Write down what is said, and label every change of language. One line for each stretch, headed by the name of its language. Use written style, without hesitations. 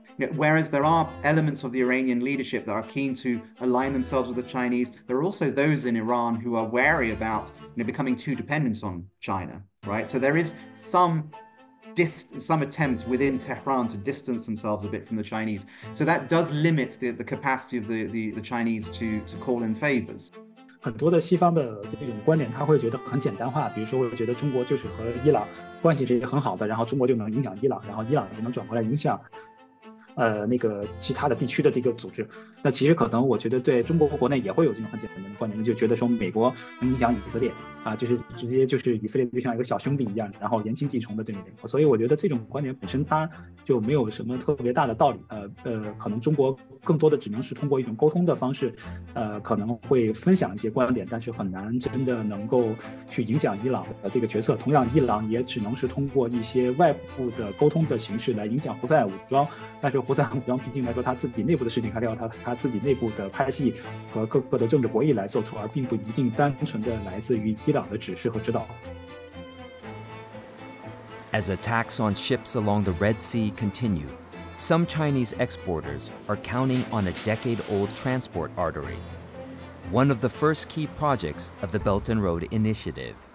English: You know, whereas there are elements of the Iranian leadership that are keen to align themselves with the Chinese, there are also those in Iran who are wary about, you know, becoming too dependent on China, right? So there is some some attempt within Tehran to distance themselves a bit from the Chinese. So that does limit the capacity of the Chinese to call in favors.
Chinese: 很多的西方的这种观点，他会觉得很简单化，比如说会觉得中国就是和伊朗关系是很好的，然后中国就能影响伊朗，然后伊朗就能转过来影响那个其他的地区的这个组织。那其实可能我觉得对中国国内也会有这种很简单的观点，就觉得说美国能影响以色列啊，就是直接就是以色列就像一个小兄弟一样，然后言轻计从的对美国。所以我觉得这种观点本身它就没有什么特别大的道理。可能中国更多的只能是通过一种沟通的方式，可能会分享一些观点，但是很难真的能够去影响伊朗的这个决策。同样，伊朗也只能是通过一些外部的沟通的形式来影响胡塞武装，但是胡塞武装毕竟来说他自己内部的事情，还是要他自己内部的派系和各个的政治博弈来做出，而并不一定单纯的来自于伊朗的指示和指导。
English: As attacks on ships along the Red Sea continue, some Chinese exporters are counting on a decade-old transport artery, one of the first key projects of the Belt and Road Initiative.